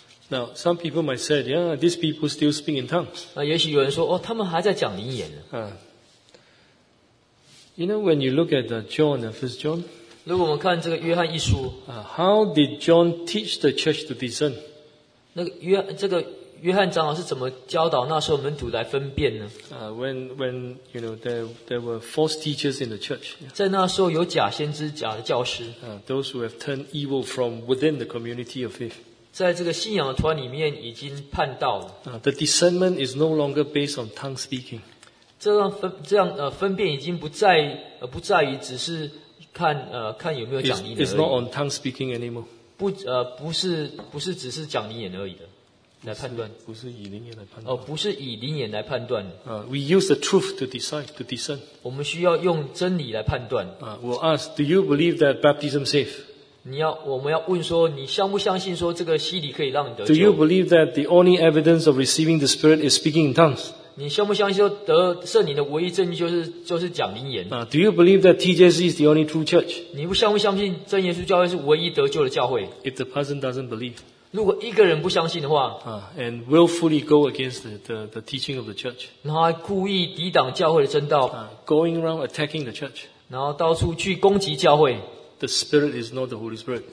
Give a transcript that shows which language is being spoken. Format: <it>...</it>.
<en>Now, some people might say, yeah, these people still speak in tongues.</en> <zh>也许有人说，哦，他们还在讲灵言呢。</zh> <en>You know, when you look at John, First John,</en> <zh>如果我们看这个约翰一书</zh> <en>how did John teach the church to discern?</en> <zh>那个约翰长老是怎么教导那时候门徒来分辨呢？</zh> <en>When you know there were false teachers in the church.</en> <zh>在那时候有假先知、假的教师。</zh> <en>Those who have turned evil from within the community of faith.</en> <zh>在这个信仰的团里面已经叛道了。</zh> <en>The discernment is no longer based on tongue speaking.</en> <zh>这样分辨已经不在于只是看有没有讲灵言而已。</zh> <en>It's not on tongue speaking anymore.</en> <zh>不是只是讲灵言而已的。来判断，不是以灵眼来判断。不是以灵眼来判断。</zh> <en>We use the truth to decide, to discern.</en> <zh>我们需要用真理来判断。</zh> <en>We'll ask, do you believe that baptism saves?</en> <zh>我们要问说，你相不相信说这个洗礼可以让你得救</zh> <en>？Do you believe that the only evidence of receiving the Spirit is speaking in tongues?</en> <zh>你相不相信说得圣灵的唯一证据就是讲灵言</zh> <en>？Do you believe that TJC is the only true church?</en> <zh>你不相不相信真耶稣教会是唯一得救的教会</zh> <en>？If the person doesn't believe.</en> <zh>如果一个人不相信的话</zh> <en>and willfully go against the teaching of the church,</en> <zh>然后还故意抵挡教会的真道</zh> <en>going around attacking the church,</en> <zh>然后到处去攻击教会</zh> <en>the spirit is not the Holy Spirit,</en>